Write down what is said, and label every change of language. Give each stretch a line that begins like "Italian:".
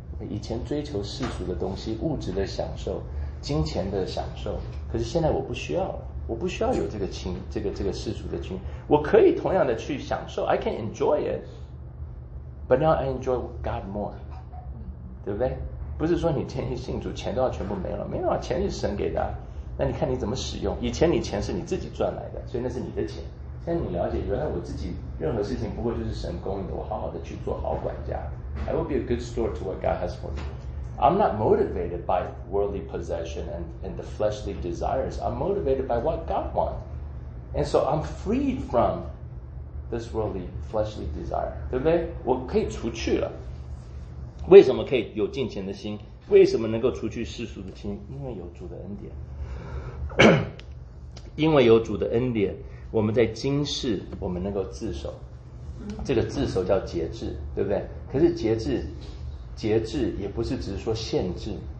Chinese: 以前追求世俗的东西、物质的享受、金钱的享受，可是现在我不需要了，我不需要有这个世俗的情欲，我可以同样的去享受 ，
English: I can enjoy it, but now I enjoy God more,
Chinese: 对不对？不是说你天天信主钱都要全部没了，没有啊，钱是神给的、啊、那你看你怎么使用。以前你钱是你自己赚来的，所以那是你的钱，现在你了解原来我自己任何事情不过就是神供应的，我好好的去做好管家。
English: I will be a good steward to what God has for me. I'm not motivated by worldly possession and the fleshly desires. I'm motivated by what God wants. And so I'm freed from this worldly fleshly desire.
Chinese: 对不对？我可以除去了。为什么可以有敬虔的心？为什么能够除去世俗的心？因为有主的恩典。因为有主的恩典，我们在今世我们能够自守，这个自守叫节制，对不对？可是节制也不是只是说限制，